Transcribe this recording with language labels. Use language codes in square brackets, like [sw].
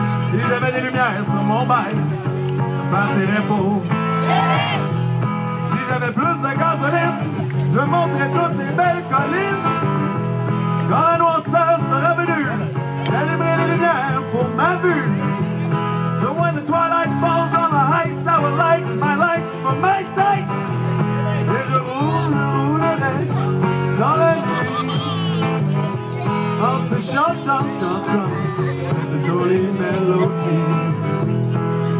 [fr] Si j'avais des lumières sur mon bail, je partirais pour. Si j'avais plus de gasoline, je montrais toutes les belles collines. Quand la noirceur sera venue, j'allumerai les lumières pour ma vue. [en] So when the twilight falls on the heights, I will light my lights for my sight. [fr] Et je roulerai dans la nuit, en te chantant, chantant de jolies mélodies.